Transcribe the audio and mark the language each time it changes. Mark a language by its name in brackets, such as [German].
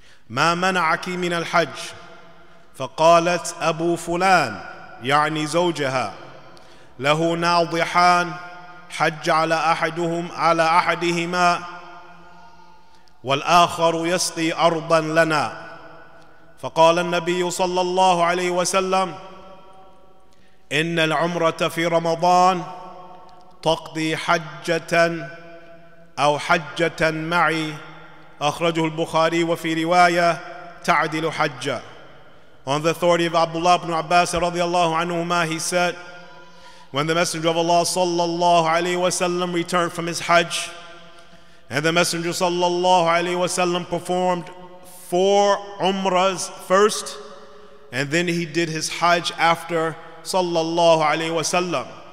[Arabic] ما منعك من الحج؟ فقالت أبو فلان يعني زوجها له ناضحان حج على أحدهم على أحدهما والآخر يسقي أرضا لنا. فقال النبي صلى الله عليه وسلم إن العمرة في رمضان تقضي حجة أو حجة معي. أخرجه البخاري وفي رواية تعدل حجة. [English] On the authority of Abdullah ibn Abbas رضي الله عنهما, he said, when the Messenger of Allah صلى الله عليه وسلم returned from his Hajj, and the Messenger صلى الله عليه وسلم performed four Umrahs first, and then he did his Hajj after صلى الله عليه وسلم.